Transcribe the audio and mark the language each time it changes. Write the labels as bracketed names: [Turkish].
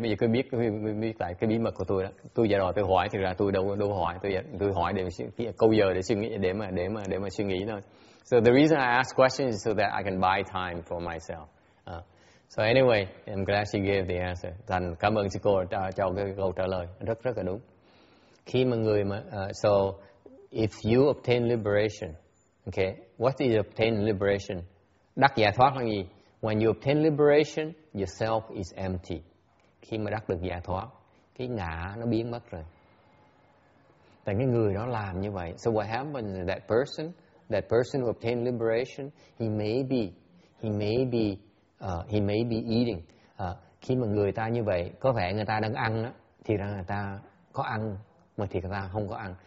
[Vietnamese] Bây giờ cứ biết lại cái bí mật của tôi đó. Tôi giờ rồi tôi hỏi thì ra tôi đâu hỏi. Tôi hỏi để câu giờ để suy nghĩ, để mà suy nghĩ thôi. [English] So the reason I ask questions is so that I can buy time for myself. So anyway, I'm glad she gave the answer. [Vietnamese] Thành cảm ơn sư cô cho cái câu trả lời rất rất là đúng. Khi mà người mà [English] so if you obtain liberation, okay, what is obtain liberation? [Vietnamese] Đắc giải thoát là gì? [English] When you obtain liberation, your self is empty. [Vietnamese] Khi mà đắc được giải thoát, cái ngã nó biến mất rồi. Tại cái người đó làm như vậy. [English] So what happens is that person who obtained liberation, he may be eating. [Vietnamese] Khi mà người ta như vậy, có vẻ người ta đang ăn á, thì ra người ta có ăn, mà thì người ta không có ăn.